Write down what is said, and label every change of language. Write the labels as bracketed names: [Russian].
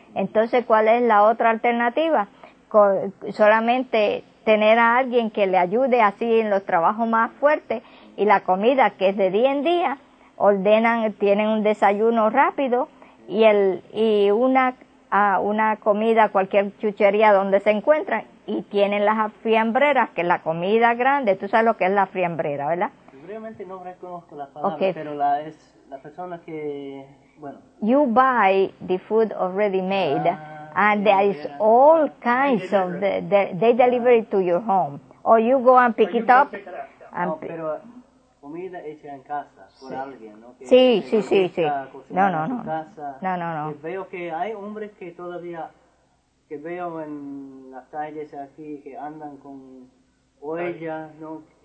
[Spanish] Entonces, ¿cuál es la otra alternativa? Solamente tener a alguien que le ayude así en los trabajos más fuertes y la comida que es de día en día, ordenan, tienen un desayuno rápido y una comida, cualquier chuchería donde se encuentran, y tienen las fiambreras, que es la comida grande. Tú sabes lo que es la fiambrera, ¿verdad? Realmente no reconozco la palabra, okay. Pero es la persona que... Bueno. [English] You buy the food already made, and there is all kinds of they deliver it to your home, or you go and pick it up. [Spanish] Pero comida hecha en casa por alguien, ¿no? Sí. No. Veo que hay hombres que todavía que veo en las calles aquí que andan con olla, ¿no?